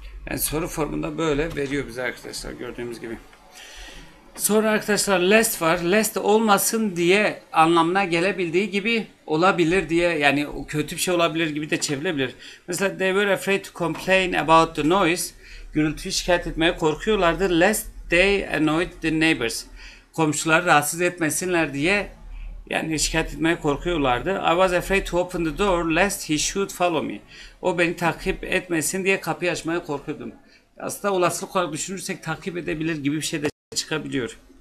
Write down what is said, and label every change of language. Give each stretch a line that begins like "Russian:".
Turkish: Yani soru formunda böyle veriyor bize arkadaşlar gördüğümüz gibi. Sonra arkadaşlar lest var. Lest olmasın diye anlamına gelebildiği gibi olabilir diye, yani kötü bir şey olabilir gibi de çevrilebilir.
English: Mesela they were afraid to complain about the noise.
Turkish: Gürültüyü şikayet etmeye korkuyorlardı.
English: Lest they annoyed the neighbors.
Turkish: Komşuları rahatsız etmesinler diye, yani şikayet etmeye korkuyorlardı.
English: I was afraid to open the door lest he should follow me.
Turkish: O beni takip etmesin diye kapıyı açmaya korkuyordum. Aslında olasılık olarak düşünürsek takip edebilir gibi bir şey de çıkabiliyor.